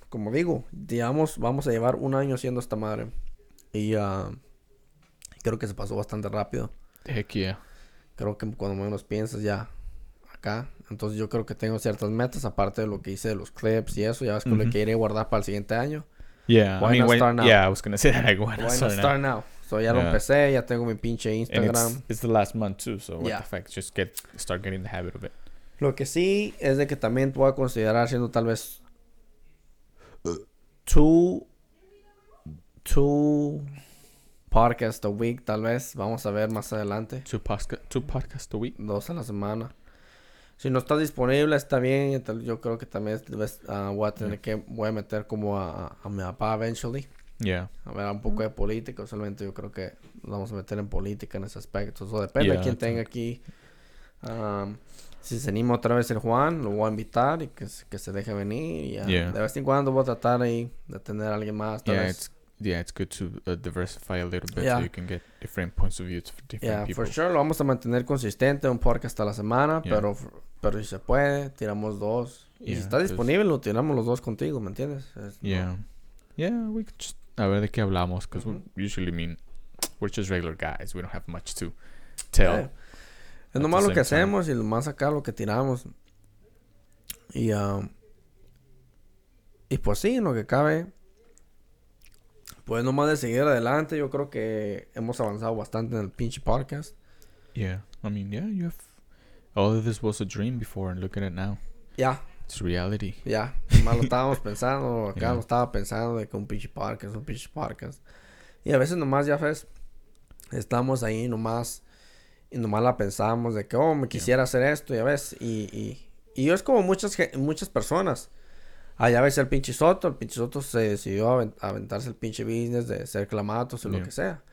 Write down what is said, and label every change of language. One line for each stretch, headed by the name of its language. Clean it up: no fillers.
Spanish: Como digo, digamos, vamos a llevar 1 año siendo esta madre y creo que se pasó bastante rápido.
English: Heck yeah.
Spanish: Creo que cuando menos piensas ya acá. Entonces, yo creo que tengo ciertas metas, aparte de lo que hice de los clips y eso. Ya ves que lo que iré a guardar para el siguiente año.
English: Yeah. Why not start now? Yeah, I was going to say that. Why not start now? So
Spanish: ya lo empecé, ya tengo mi pinche Instagram.
English: And it's the last month too, so what the fuck, just get start getting the habit of it.
Spanish: Lo que sí es de que también voy a considerar siendo tal vez
English: two podcasts a week,
Spanish: tal vez. Vamos a ver más adelante.
English: Two podcasts a week.
Spanish: Dos a la semana. Si no está disponible, está bien. Yo creo que también voy a tener que voy a meter como a mi papá eventually.
English: Yeah.
Spanish: A ver, un poco de política. Solamente yo creo que vamos a meter en política en ese aspecto. Eso depende de quién tenga aquí. Si se anima otra vez el Juan, lo voy a invitar y que se deje venir. Y, de vez en cuando voy a tratar ahí de tener a alguien más.
English: It's good to diversify a little bit so you can get different points of view to different people. For sure,
Spanish: lo vamos a mantener consistente, un podcast a la semana, pero si se puede, tiramos dos. Y si está disponible, lo tiramos los dos contigo, ¿me entiendes?
English: Yeah, we could just,
Spanish: a ver de qué hablamos,
English: because we usually mean, we're just regular guys, we don't have much to tell. Yeah.
Spanish: Es nomás lo que hacemos y lo más acá lo que tiramos. Y pues sí, en lo que cabe, pues nomás de seguir adelante, yo creo que hemos avanzado bastante en el pinche podcast.
English: Yeah, I mean, yeah, you have, all of this was a dream before and look at it now. Yeah. It's reality.
Spanish: Yeah. Más lo estábamos pensando. Acá lo estaba pensando de que un pinche podcast. Y a veces nomás ya ves, estamos ahí nomás y nomás la pensamos de que, oh, me quisiera hacer esto, ya ves. Y es como muchas personas. Allá ves el pinche Soto. El pinche Soto se decidió a aventarse el pinche business de ser clamatos o lo que sea.